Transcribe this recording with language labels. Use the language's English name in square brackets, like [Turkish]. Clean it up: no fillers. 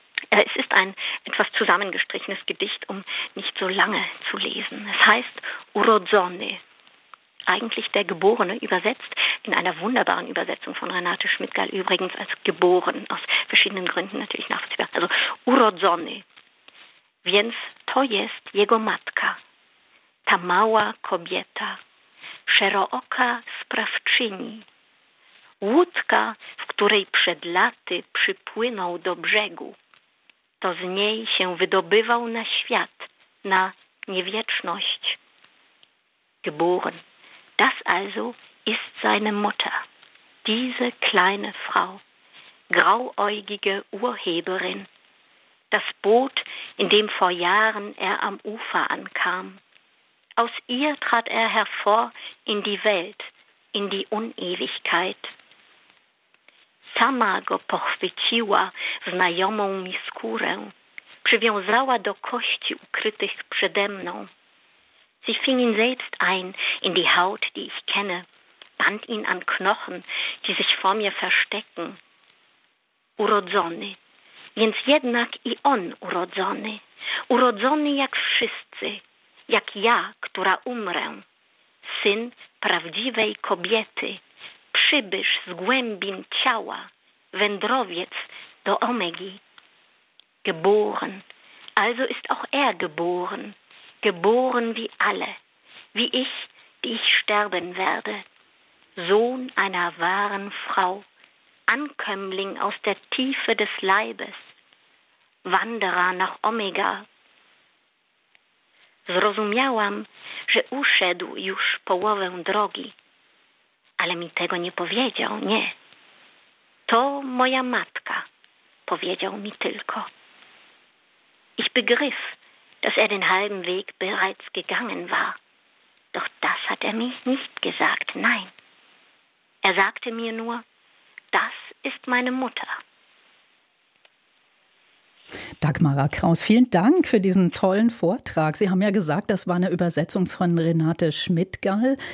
[German] Es ist ein etwas zusammengestrichenes Gedicht, um nicht so lange zu lesen. Es heißt Urodzony, eigentlich der Geborene, übersetzt in einer wunderbaren Übersetzung von Renate Schmidgall, übrigens als geboren, aus verschiedenen Gründen natürlich nachvollziehbar. [Polish] Also Urodzony, więc to jest jego matka, ta mała kobieta, szerooka sprawczyni, łódka, w której przed laty przypłynął do brzegu, to z niej się wydobywał na świat, na niewieczność. [German] Geboren. Das also ist seine Mutter, diese kleine Frau, grauäugige Urheberin, das Boot, in dem vor Jahren er am Ufer ankam. Aus ihr trat er hervor in die Welt, in die Unewigkeit. [Polish] Sama go pochwyciła znajomą mi skórę, przywiązała do kości ukrytych przede mną. [German] Sie fing ihn selbst ein in die Haut, die ich kenne, band ihn an Knochen, die sich vor mir verstecken. [Polish] Urodzony, więc jednak i on urodzony, urodzony jak wszyscy, jak ja, która umrę, syn prawdziwej kobiety, przybysz z głębin ciała, wędrowiec do Omegi. [German] Geboren, also ist auch geboren, geboren wie alle, wie ich, die ich sterben werde. Sohn einer wahren Frau, Ankömmling aus der Tiefe des Leibes, Wanderer nach Omega. [Polish] Zrozumiałam, że uszedł już połowę drogi, ale mi tego nie powiedział, nie. To moja matka, powiedział mi tylko. [German] Ich begriff, dass den halben Weg bereits gegangen war. Doch das hat mir nicht gesagt, nein. Sagte mir nur, das ist meine Mutter. Dagmara Kraus, vielen Dank für diesen tollen Vortrag. Sie haben ja gesagt, das war eine Übersetzung von Renate Schmidt-Gall.